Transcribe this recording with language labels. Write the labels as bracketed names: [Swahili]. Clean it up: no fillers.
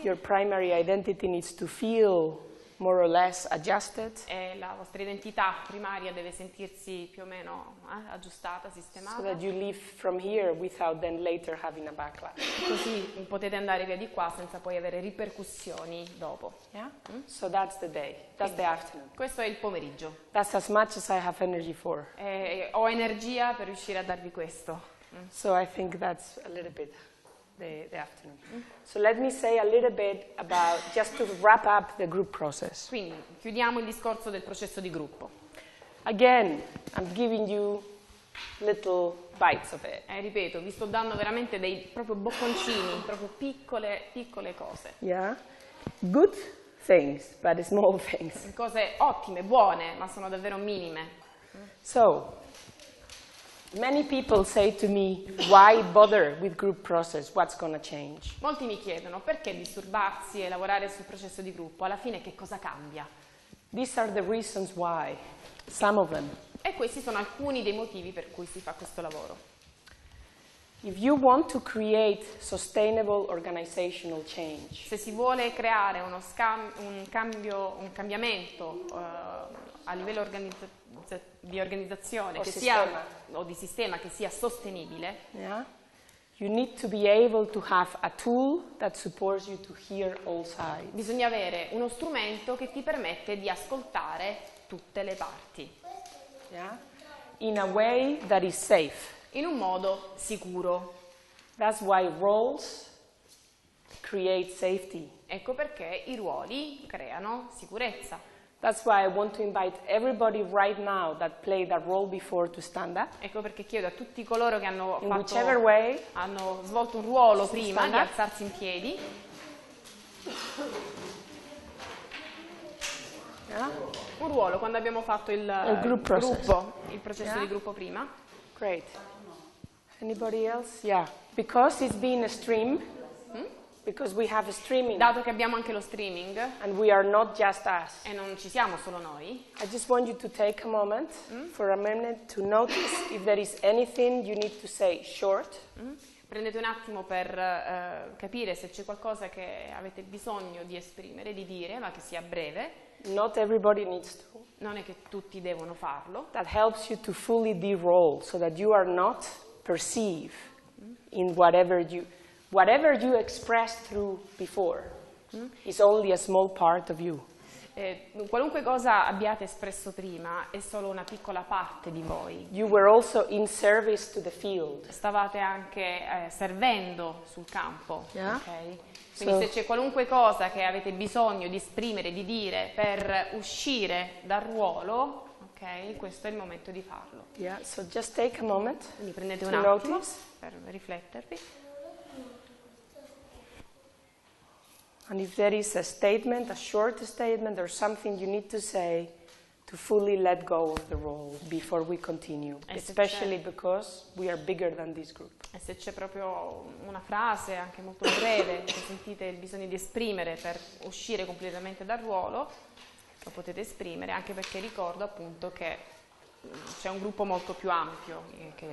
[English] Your primary identity needs to feel more or less adjusted. [Italian] E la vostra identità primaria deve sentirsi più o meno aggiustata, sistemata. [English] So that you leave from here without then later having a backlash. [Italian] Così potete andare via di qua senza poi avere ripercussioni dopo. [English] Yeah? So that's the day. That's the afternoon. [Italian] Questo è il pomeriggio. [English] That's as much as I have energy for. [Italian] E ho energia per riuscire a darvi questo. [English] So I think that's a little bit the afternoon. So let me say a little bit about, just to wrap up the group process. [Italian] Quindi, chiudiamo il discorso del processo di gruppo. [English] Again, I'm giving you little bites of it. [Italian] Ripeto, vi sto dando veramente dei proprio bocconcini, proprio piccole, piccole cose. [English] Yeah, good things, but small things. [Italian] Cose ottime, buone, ma sono davvero minime. [English] So, many people say to me, why bother with group process? What's going to change? [Italian] Molti mi chiedono, perché disturbarsi e lavorare sul processo di gruppo? Alla fine che cosa cambia? [English] These are the reasons why, some of them. [Italian] E questi sono alcuni dei motivi per cui si fa questo lavoro. [English] If you want to create sustainable organizational change, [Italian] se si vuole creare uno un cambiamento a livello di organizzazione che sia, o di sistema che sia sostenibile, [English] yeah, you need to be able to have a tool that supports you to hear all sides. [Italian] Bisogna avere uno strumento che ti permette di ascoltare tutte le parti, [English] yeah, in a way that is safe. [Italian] In un modo sicuro. [English] That's why roles create safety. [Italian] Ecco perché i ruoli creano sicurezza. [English] That's why I want to invite everybody right now that played a role before to stand up. [Italian] Ecco perché chiedo a tutti coloro che hanno fatto, [English] whichever way, [Italian] hanno svolto un ruolo prima di alzarsi in piedi. [English] Yeah. [Italian] Un ruolo quando abbiamo fatto il gruppo, il processo yeah, di gruppo prima. [English] Great. Anybody else? Yeah. Because it's been a stream. Because we have a streaming. [Italian] Dato che abbiamo anche lo streaming. [English] And we are not just us. [Italian] E non ci siamo solo noi. [English] I just want you to take a moment for a minute to notice if there is anything you need to say short. [Italian] Prendete un attimo per capire se c'è qualcosa che avete bisogno di esprimere, di dire, ma che sia breve. [English] Not everybody needs to. [Italian] Non è che tutti devono farlo. [English] That helps you to fully de-role so that you are not perceive in whatever you expressed through before is only a small part of you. [Italian] Qualunque cosa abbiate espresso prima è solo una piccola parte di voi. [English] You were also in service to the field. [Italian] Stavate anche servendo sul campo. [English] Yeah? Okay? [Italian] Quindi se c'è qualunque cosa che avete bisogno di esprimere, di dire per uscire dal ruolo, okay, questo è il momento di farlo. [English] Yeah, so just take a moment. [Italian] Quindi prendete un attimo per riflettervi. [English] And if there is a statement, a short statement or something you need to say to fully let go of the role before we continue, especially because we are bigger than this group. [Italian] E se c'è proprio una frase anche molto breve che sentite il bisogno di esprimere per uscire completamente dal ruolo, lo potete esprimere, anche perché ricordo appunto che c'è un gruppo molto più ampio che...